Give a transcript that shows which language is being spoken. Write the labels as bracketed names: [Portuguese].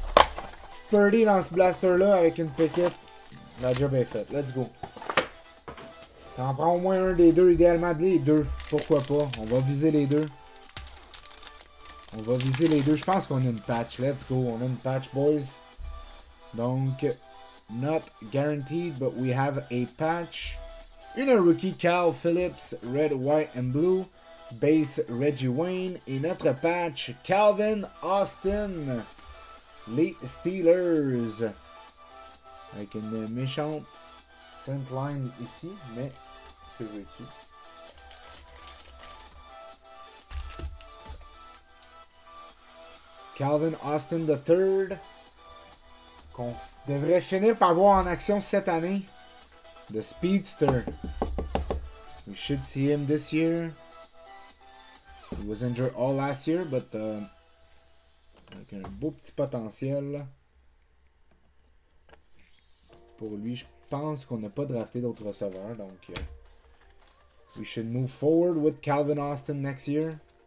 [French] Petite Purdy dans ce blaster-là avec une piquette. La job est faite. [English] Let's go. [French] Ça en prend au moins un des deux, idéalement. Les deux. Pourquoi pas. On va viser les deux. On va viser les deux. Je pense qu'on a une patch. [English] Let's go. [French] On a une patch, boys. Donc, [English] not guaranteed, but we have a patch. [French] Une rookie Cal Phillips, [English] red, white, and blue. [French] Base Reggie Wayne. Et notre patch, Calvin Austin. Les Steelers. Avec une méchante front line ici, mais que veux-tu? [English] Calvin Austin the third. [French] Qu'on devrait finir par voir en action cette année. [English] The Speedster. We should see him this year. He was injured all last year, but... [French] avec un beau petit potentiel. Pour lui, je pense qu'on n'a pas drafté d'autres receveurs, donc... [English] we should move forward with Calvin Austin next year.